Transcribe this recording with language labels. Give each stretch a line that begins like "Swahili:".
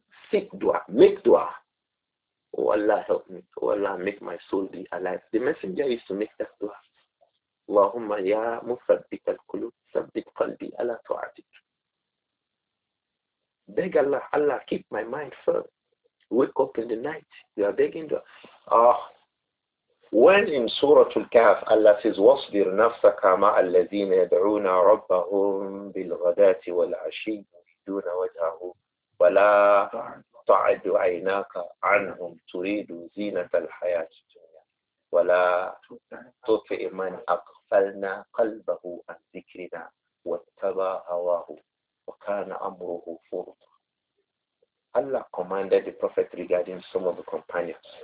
English: Seek dua, make dua. Oh Allah, help me. Oh Allah, make my soul be alive. The messenger used to make that dua.
Arabic: Allahumma ya mufaddik al-kulub, sabbit qalbi ala tu'atik.
English: Beg Allah, Allah, keep my mind firm. Wake up in the night. You are begging dua. When in Surah Al-Kahf, Allah says,
Arabic: وَاصْبِرْ نَفْسَكَ مَعَ الَّذِينَ يَدْعُونَ رَبَّهُمْ بِالْغَدَاتِ وَالْعَشِيِّ يُرِيدُونَ وَجْهَهُ وَلَا تَعْدُ عَيْنَاكَ عَنْهُمْ تُرِيدُ زِينَةَ الْحَيَاةِ الدُّنْيَا وَلَا تُطِعْ مَنْ أَغْفَلْنَا قَلْبَهُ عَنْ ذِكْرِنَا وَاتَّبَعَ هَوَاهُ وَكَانَ أَمْرُهُ فُرُطًا.
English: Allah commanded the Prophet regarding some of the companions.